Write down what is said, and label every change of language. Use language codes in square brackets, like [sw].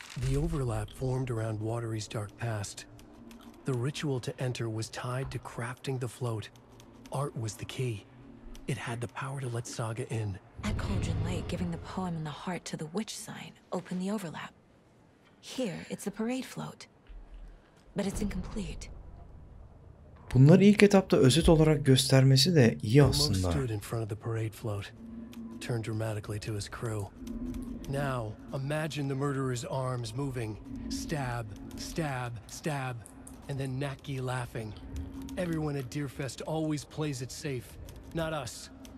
[en] The overlap formed around Watery's dark past. The ritual to enter was tied to crafting the float. Art was the key. It had the power to let Saga in. At Cauldron Lake, giving the poem and the heart to the witch sign opened the overlap. Here, it's the parade float. But it's incomplete. [tr] Bunları ilk etapta özet olarak göstermesi de iyi aslında. [en] The monk stood in front of the parade float, turned dramatically to his crew. Now, imagine the murderer's arms moving. Stab, stab, stab, and then Naki laughing. Everyone at Deerfest always plays it safe, not us.